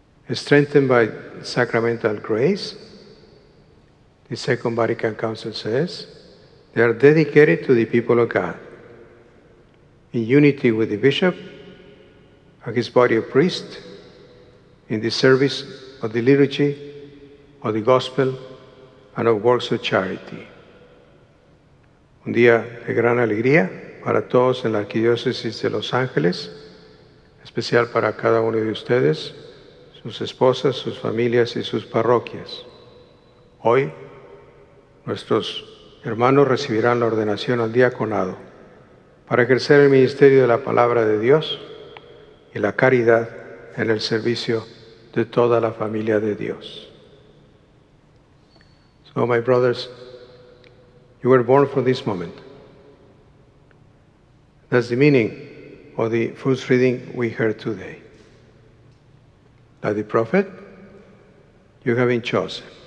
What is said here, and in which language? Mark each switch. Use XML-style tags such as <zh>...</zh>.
<en>Strengthened by sacramental grace, the Second Vatican Council says, they are dedicated to the people of God, in unity with the bishop and his body of priests, in the service of the liturgy, of the gospel, and of works of charity.</en> <es>Un día de gran alegría para todos en la Arquidiócesis de Los Ángeles, especial para cada uno de ustedes, sus esposas, sus familias y sus parroquias. Hoy, nuestros hermanos recibirán la ordenación al diaconado para ejercer el ministerio de la palabra de Dios y la caridad en el servicio de toda la familia de Dios.</es> <en>So, my brothers, you were born for this moment. That's the meaning of the first reading we heard today. Like the prophet, you have been chosen.</en>